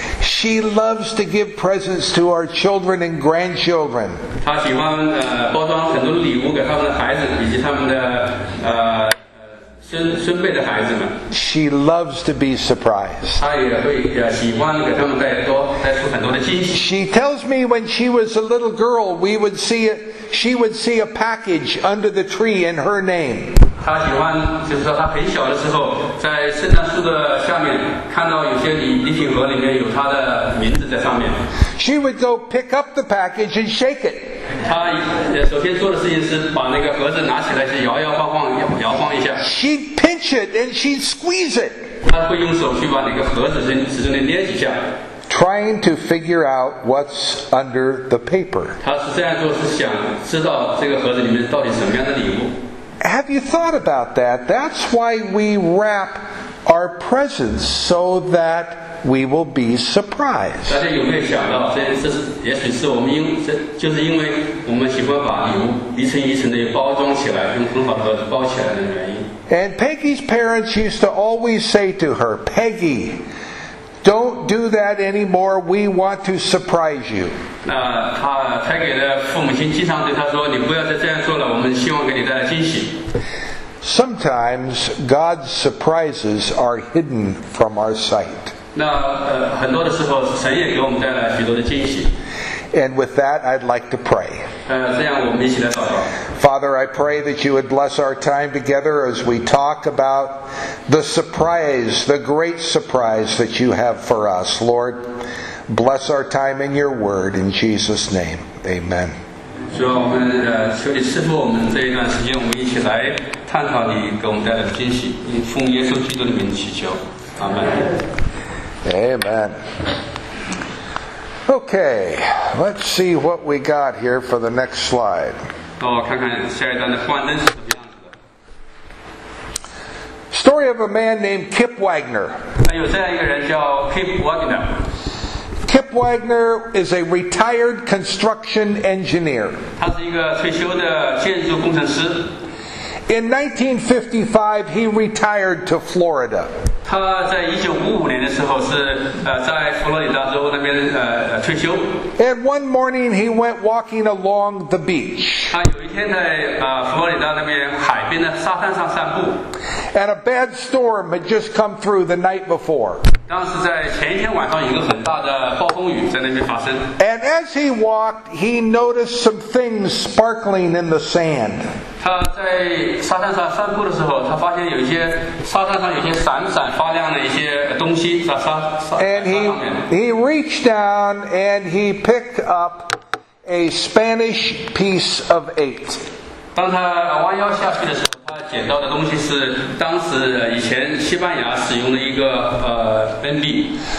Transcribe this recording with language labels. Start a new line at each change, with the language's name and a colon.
English: She loves to give presents to our children and grandchildren.
Chinese: 她喜欢包装很多礼物给他们的孩子以及他们的孙辈的孩子们。
English: She loves to be surprised.
Chinese: 她也会喜欢给他们带出很多的惊喜。
English: She tells me when she was a little girl, we would see it. She would see a package under the tree in her name.
Chinese: 她喜欢就是说她很小的时候在圣诞树的下面看到有些礼品盒里面有她的名字在上面。
English: She would go pick up the package and shake it.
Chinese: 她首先做的事情是把那个盒子拿起来去摇摇晃晃摇晃一下。
English: She'd pinch it and she'd squeeze it.
Chinese: 她会用手去把那个盒子使劲地捏几下。
English: Trying to figure out what's under the paper.
Chinese: 她是这样做是想知道这个盒子里面到底什么样的礼物。
English: Have you thought about that? That's why we wrap our presents so that we will be surprised.
Chinese: 大家有没有想到，也许是我们就是因为我们喜欢把礼物一层一层的包装起来，用很好的盒子包起来的原因。
English: And Peggy's parents used to always say to her, Peggy, don't do that anymore. We want to surprise you.
Chinese: 她给的父母亲经常对她说，你不要再这样做了，我们希望给你带来惊喜。
English: Sometimes God's surprises are hidden from our sight.
Chinese: 很多的时候神也给我们带来许多的惊喜。
English: And with that, I'd like to pray.
Chinese: 这样我们一起来祷告。
English: Father, I pray that you would bless our time together as we talk about the surprise, the great surprise that you have for us. Lord, bless our time in your word. In Jesus' name, amen.
Chinese: 主啊，我们求你赐福我们这一段时间，我们一起来探讨你给我们带来的惊喜。奉耶稣基督的名祈求，阿门。
English: Amen. Okay, let's see what we got here for the next slide.
Chinese: 让我看看下一段的幻灯是怎么样子的。
English: Story of a man named Kip Wagner.
Chinese: 有这样一个人叫 Kip Wagner。
English: Kip Wagner is a retired construction engineer.
Chinese: 他是一个退休的建筑工程师。
English: In 1955, he retired to Florida.
Chinese: 他在1955年的时候是在佛罗里达州那边退休。
English: And one morning he went walking along the beach.
Chinese: 他有一天在佛罗里达那边海边的沙滩上散步。
English: And a bad storm had just come through the night before.
Chinese: 当时在前一天晚上有一个很大的暴风雨在那边发生。
English: And as he walked, he noticed some things sparkling in the sand.
Chinese: 他在沙滩上散步的时候，他发现有一些沙滩上有些闪闪发亮的一些东西在沙上面。
English: And he reached down and he picked up a Spanish piece of eight.
Chinese: 当他弯腰下去的时候。捡到的东西是当时以前西班牙使用的一个NB。